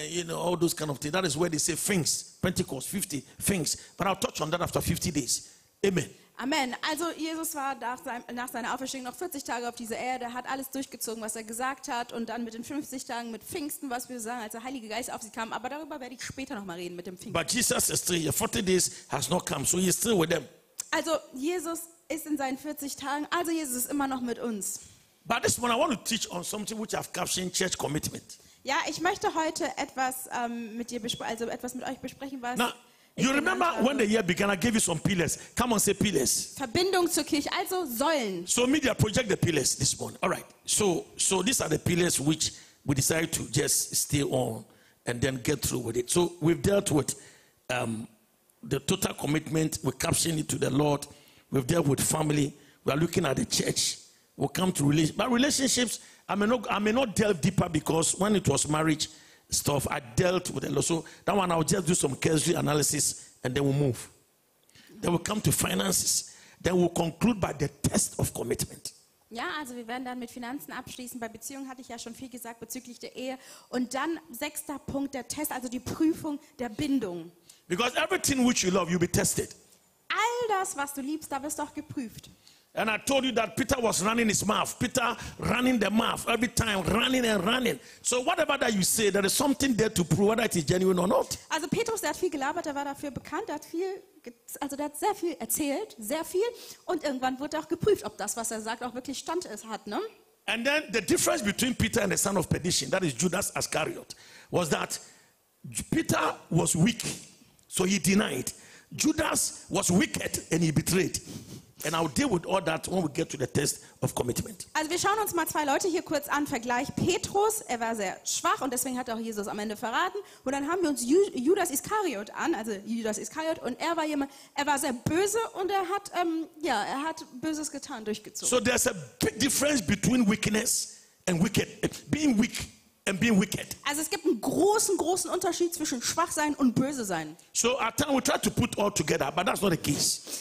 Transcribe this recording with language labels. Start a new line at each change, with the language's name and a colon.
English: All those kind of things. That is where they say things. Pentecost, 50 things. But I'll touch on that after 50 days. Amen. Amen.
German: Also Jesus war nach seiner Auferstehung noch 40 Tage auf dieser Erde, hat alles durchgezogen, was er gesagt hat und dann mit den 50 Tagen mit Pfingsten, was wir sagen, als der Heilige Geist auf sie kam, aber darüber werde ich später nochmal reden mit dem Pfingsten.
English: But Jesus is still here. 40 days has not come, so he is still with them.
German: Also Jesus ist in seinen 40 Tagen, also Jesus ist immer noch mit uns.
English: But this one I want to teach on something which I've captioned church commitment.
German: Ja, ich möchte heute etwas mit dir besprechen, also etwas mit euch besprechen, was
English: Now, you remember when the year began, I gave you some pillars. Come on, say pillars.
German: Verbindung zur Kirche, also Säulen.
English: So media project the pillars this morning. All right. So these are the pillars which we decided to just stay on and then get through with it. So we've dealt with the total commitment, we're captioning it to the Lord. We've dealt with family. We are looking at the church. We'll come to relationships. But relationships, I may not delve deeper because when it was marriage stuff, I dealt with a lot. So that one, I'll just do some casual analysis and then we'll move. Then we'll come to finances. Then we'll conclude by the test of commitment.
German: Ja, also wir werden dann mit Finanzen abschließen. Bei Beziehungen hatte ich ja schon viel gesagt bezüglich der Ehe. Und dann sechster Punkt, der Test, also die Prüfung der Bindung.
English: Because everything which you love, you'll be tested.
German: All das, was du liebst, da wirst du auch geprüft.
English: And I told you that Peter was running his mouth. Peter running the mouth every time, running and running. So whatever that you say, there is something there to prove whether it is genuine or not.
German: Also Petrus, der hat viel gelabert, der war dafür bekannt, der hat viel, also der hat sehr viel erzählt, sehr viel. Und irgendwann wurde auch geprüft, ob das, was sagt, auch wirklich Stand ist, hat, ne?
English: And then the difference between Peter and the son of perdition, that is Judas Iscariot, was that Peter was weak, so he denied. Judas was wicked and he betrayed. And I'll deal with all that when we get to the test of commitment.
German: Also wir schauen uns mal zwei Leute hier kurz an. Vergleich Petrus, er war sehr schwach und deswegen hat auch Jesus am Ende verraten. Und dann haben wir uns Judas Iscariot an, also Judas Iscariot. Und er war jemand, er war sehr böse und er hat, ja, er hat Böses getan, durchgezogen.
English: So there's a big difference between weakness and wicked, being weak and being wicked.
German: Also es gibt einen großen Unterschied zwischen schwach sein und böse sein.
English: So at times we try to put all together, but that's not the case.